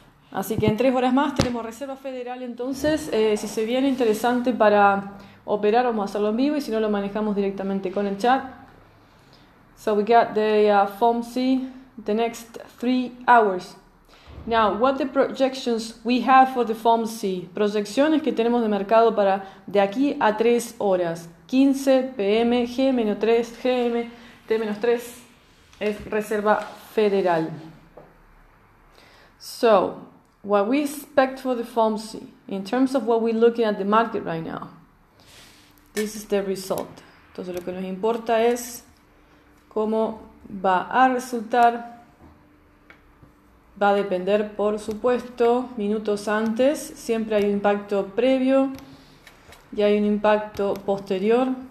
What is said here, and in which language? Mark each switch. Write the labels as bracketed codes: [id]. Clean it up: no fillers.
[es] Así que en 3 horas más tenemos Reserva Federal. Entonces, si se viene interesante para operar, vamos a hacerlo en vivo, y si no, lo manejamos directamente con el chat. [en] So we got the FOMC the next 3 hours. Now, what the projections we have for the FOMC? [es] Proyecciones que tenemos de mercado para de aquí a 3 horas. 15 p.m. G-3, GM, T-3 es Reserva Federal. [en] So, what we expect for the FOMC, in terms of what we're looking at the market right now, this is the result. [es] Entonces, lo que nos importa es cómo va a resultar. Va a depender, por supuesto, minutos antes. Siempre hay un impacto previo y hay un impacto posterior.